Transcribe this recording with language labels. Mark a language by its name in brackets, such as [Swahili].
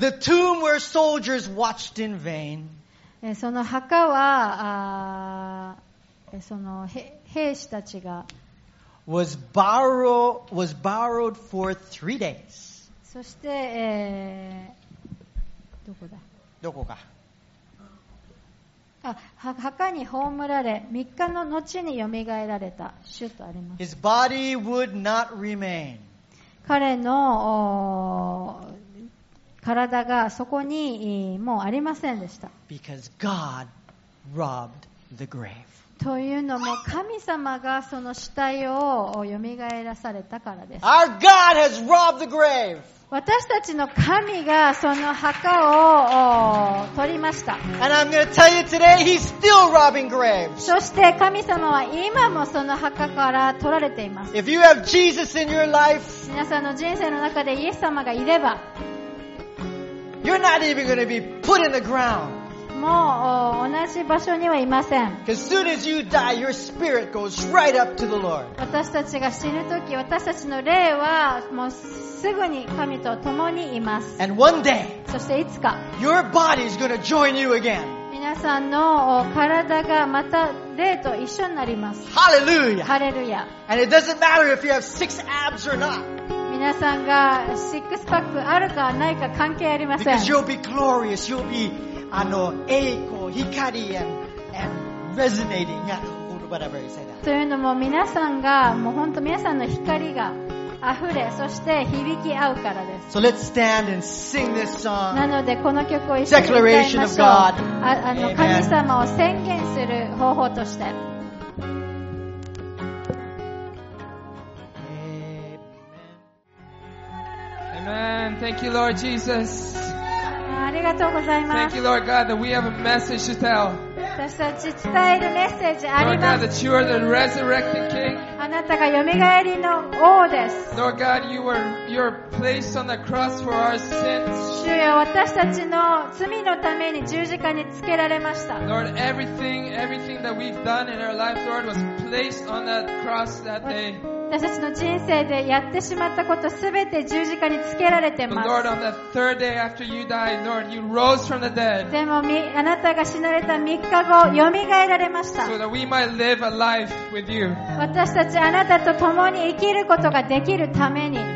[English] The tomb where soldiers watched in vain. [Japanese] その墓は、その兵士たちが [English] was borrowed for three days. [Japanese] そして、どこだ？どこか。墓に葬られ、3日の後に蘇られた主とあります。 [English] His body would not remain. [Japanese] 彼の体がそこにもうありませんでした。 [English] Because God robbed the grave. [Japanese] というのも神様がその死体を蘇らされたからです。 [English] Our God has robbed the grave. [Japanese] 私たちの神がその墓を取りました。 [English] And I'm going to tell you today, He's still robbing graves. [Japanese] そして神様は今もその墓から取られています。 [English] If you have Jesus in your life, [Japanese] 皆さんの人生の中でイエス様がいれば、 [English] You're not even going to be put in the ground. [Japanese] もう同じ場所にはいません。 [English] Because soon as you die, your spirit goes right up to the Lord. [Japanese] 私たちが死ぬとき、私たちの霊はもうすぐに神と共にいます。 [English] And one day, [Japanese] そしていつか、 [English] your body is going to join you again. [Japanese] 皆さんの体がまた霊と一緒になります。 [English] Hallelujah! Hallelujah! And it doesn't matter if you have six abs or not. [Japanese] 皆さんがシックスパックあるかないか関係ありません。 [English] Because you'll be glorious, you'll be [Japanese] あの栄光、光 [English] and resonating, yeah, whatever you say that. [Japanese] というのも皆さんがもう本当皆さんの光が溢れそして響き合うからです。 [English] So let's stand and sing this song. [Japanese] なのでこの曲を一緒に歌いまし [English] ょう。Declaration of God. [Japanese] あの神様を宣言する方法として。 [English] Amen. Thank you, Lord Jesus. [Japanese] ありがとうございます。 [English] Thank you, Lord God, that we have a message to tell. [Japanese] 私たち伝えるメッセージあります。 [English] Lord God, that you are the resurrected King. [Japanese] あなたが蘇りの王です。 [English] Lord God, you are placed on the cross for our sins. [Japanese] 主よ、私たちの罪のために十字架につけられました。 [English] Lord, everything that we've done in our life, Lord, was placed on that cross that day. [Japanese] 私たちの人生でやってしまったことすべて十字架につけられてます。 [English] Lord, on the third day after you died, Lord, you rose from the dead. [Japanese] でも、あなたが死なれた3日後、よみがえられました。 [English] So that we might live a life with you. [Japanese] 私たちあなたと共に生きることができるために。